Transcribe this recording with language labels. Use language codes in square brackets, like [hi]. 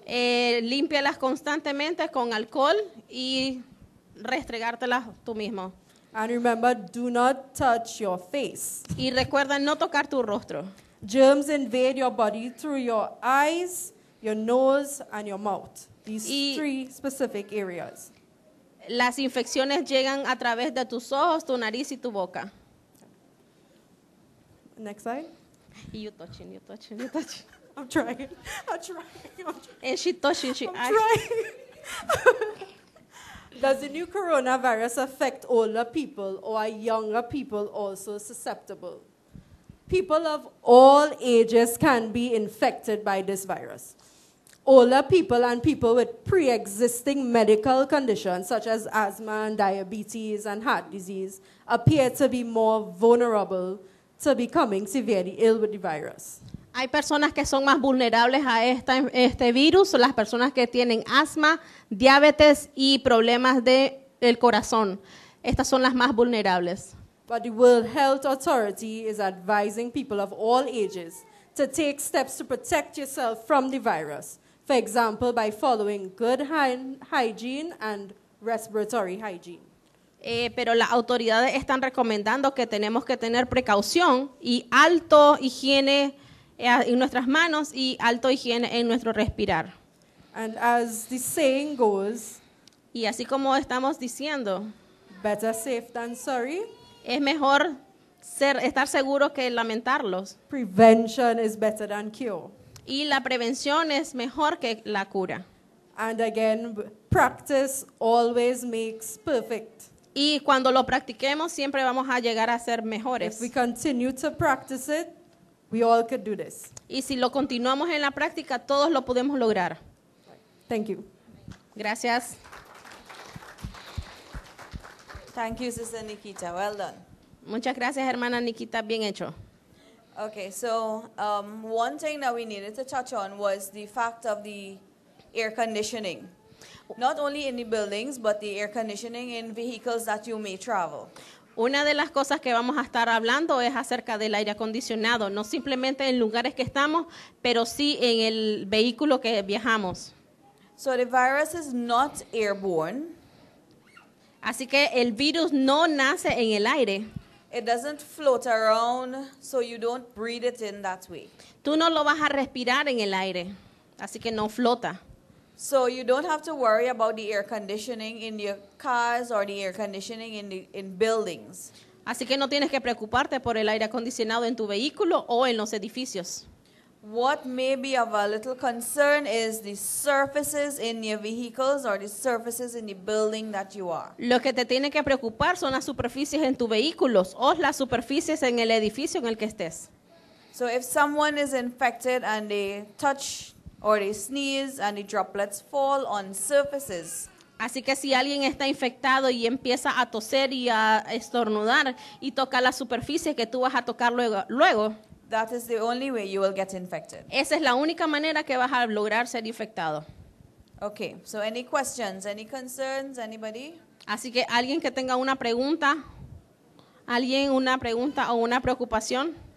[es] Límpialas constantemente con alcohol y restregártelas tú mismo. [en] And remember, do not touch your face. [es] Y recuerda no tocar tu rostro. [en] Germs invade your body through your eyes, your nose, and your mouth. These three specific areas. [es] Las infecciones llegan a través de tus ojos, tu nariz y tu boca. [en] Next slide. You touching. I'm trying. Does the new coronavirus affect older people or are younger people also susceptible? People of all ages can be infected by this virus. Older people and people with pre-existing medical conditions such as asthma and diabetes and heart disease appear to be more vulnerable to becoming severely ill with the virus. [es] Hay personas que son más vulnerables a este virus, son las personas que tienen asma, diabetes y problemas del corazón. Estas son las más vulnerables. [en] But the World Health Authority is advising people of all ages to take steps to protect yourself from the virus. For example, by following good hygiene and respiratory hygiene. [es] Pero las autoridades están recomendando que tenemos que tener precaución y alto higiene en nuestras manos y alto higiene en nuestro respirar. [en] And as the saying goes, [es] y así como estamos diciendo, [en] better safe than sorry, [es] es mejor estar seguro que lamentarlos. [en] Prevention is better than cure. [es] Y la prevención es mejor que la cura. [en] And again, practice always makes perfect. [es] Y cuando lo practiquemos, siempre vamos a llegar a ser mejores. [en] If we continue to practice it, we all could do this. [es] Y si lo continuamos en la práctica, todos lo podemos lograr. [en] Thank you. [es] Gracias. [en] Thank you, Sister Nikita. Well done. [es] Muchas gracias, hermana Nikita. Bien hecho. [en] Okay, so one thing that we needed to touch on was the fact of the air conditioning. Not only in the buildings, but the air conditioning in vehicles that you may travel. [es] Una de las cosas que vamos a estar hablando es acerca del aire acondicionado, no simplemente en lugares que estamos, pero sí en el vehículo que viajamos. [en] So the virus is not airborne. [es] Así que el virus no nace en el aire. [en] It doesn't float around, so you don't breathe it in that way. [es] Tú no lo vas a respirar en el aire, así que no flota. [en] So you don't have to worry about the air conditioning in your cars or the air conditioning in buildings. [es] Así que no tienes que preocuparte por el aire acondicionado en tu vehículo o en los edificios. [en] What may be of a little concern is the surfaces in your vehicles or the surfaces in the building that you are. [es] Lo que te tiene que preocupar son las superficies en tu vehículo o las superficies en el edificio en el que estés. [en] So if someone is infected and they touch or they sneeze and the droplets fall on surfaces. [es] Así que si alguien está infectado y empieza a toser y a estornudar y toca la superficie que tú vas a tocar luego. [en] That is the only way you will get infected. [es] Esa es la única manera que vas a lograr ser infectado. [en] Okay, so any questions, any concerns, anybody? [es] Así que alguien que tenga una pregunta, alguien una pregunta o una preocupación.